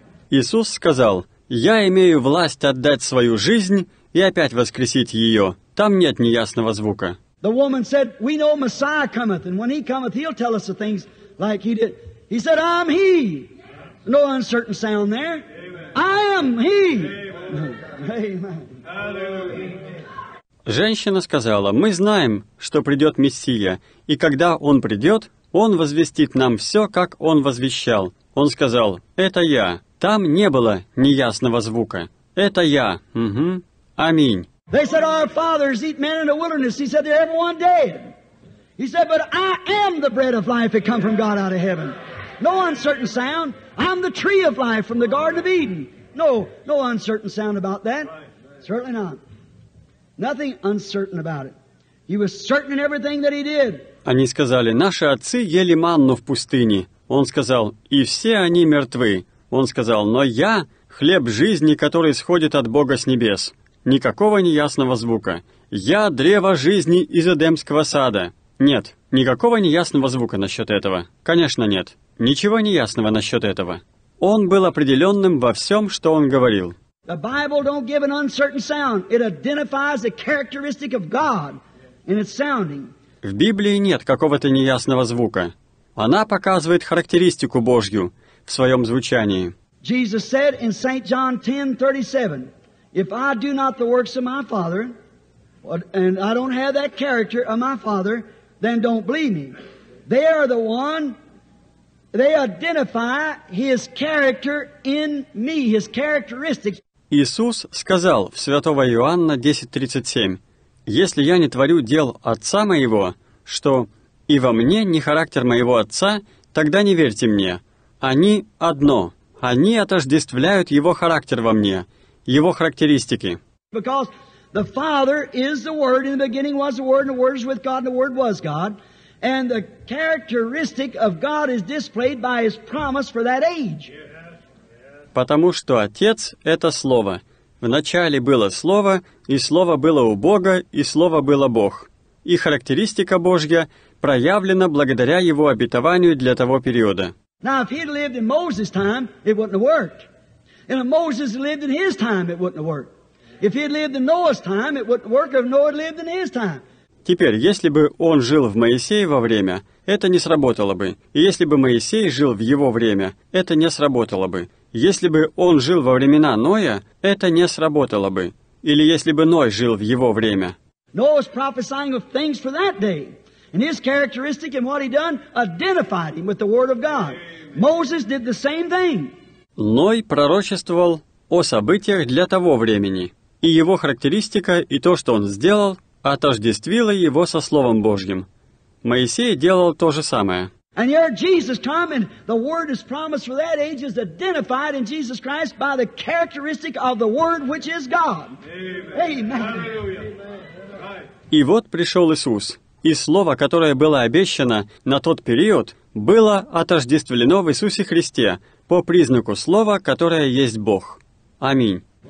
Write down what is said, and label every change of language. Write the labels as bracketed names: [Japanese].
[Russian] Иисус сказал: «Я имею власть отдать свою жизнь и опять воскресить ее». Там нет неясного звука. [English] The woman said, we know Messiah cometh, and when he cometh, he'll tell us the things like he did. He said, I'm he. No uncertain sound there. Amen. I am he. Amen. [Russian] Женщина сказала, мы знаем, что придет Мессия, и когда он придет, он возвестит нам все, как он возвещал. Он сказал, это я. Там не было неясного звука. Это я. Угу. Аминь. [English] They said, our fathers eat manna in the wilderness. He said, they're everyone dead. He said, but I am the bread of life that come from God out of heaven. No uncertain sound. I'm the tree of life from the Garden of Eden. No uncertain sound about that. Certainly not. Nothing uncertain about it. He was certain in everything that he did. [Russian] Они сказали, наши отцы ели манну в пустыне. Он сказал, и все они мертвы. Он сказал, но я — хлеб жизни, который исходит от Бога с небес. Никакого неясного звука. «Я — древо жизни из Эдемского сада». Нет, никакого неясного звука насчет этого. Конечно, нет. Ничего неясного насчет этого. Он был определенным во всем, что он говорил. [English] The Bible don't give an uncertain sound. It identifies a characteristic of God in its sounding. [Russian] В Библии нет какого-то неясного звука. Она показывает характеристику Божью в своем звучании. [English] Jesus said in St. John 10:37, If I do not the works of my Father, and I don't have that character of my Father, then don't believe me. They are the one, they identify His character in me, His characteristics. [Russian] Иисус сказал в Святого Иоанна 10:37, «Если я не творю дел Отца Моего, что и во мне не характер Моего Отца, тогда не верьте Мне. Они одно, они отождествляют Его характер во Мне». Его характеристики. [English] Because the Father is the Word, in the beginning was the Word, and the Word is with God, and the Word was God. And the characteristic of God is displayed by His promise for that age. [Russian] Потому что Отец — это Слово. В начале было Слово, и Слово было у Бога, и Слово было Бог. И характеристика Божья проявлена благодаря Его обетованию для того периода. [English] Now, if He'd lived in Moses' time, it wouldn't have worked. And if Moses lived in his time, it wouldn't work. If he had lived in Noah's time, it wouldn't work. If Noah lived in his time. [Russian] Теперь, если бы он жил в Моисеево время, это не сработало бы. И если бы Моисей жил в его время, это не сработало бы. Если бы он жил во времена Ноя, это не сработало бы. Или если бы Ной жил в его время. [English] Noah was prophesying of things for that day, and his characteristic and what he done identified him with the Word of God. Moses did the same thing. [Russian] Ной пророчествовал о событиях для того времени, и его характеристика и то, что он сделал, отождествило его со Словом Божьим. Моисей делал то же самое. [English] And here Jesus come, and the Word is promised for that age is identified in Jesus Christ by the characteristic of the Word, which is God. Amen. Amen. Amen. [Russian] И вот пришел Иисус, и Слово, которое было обещано на тот период, было отождествлено в Иисусе Христе, по признаку Слова, которое есть Бог. Аминь.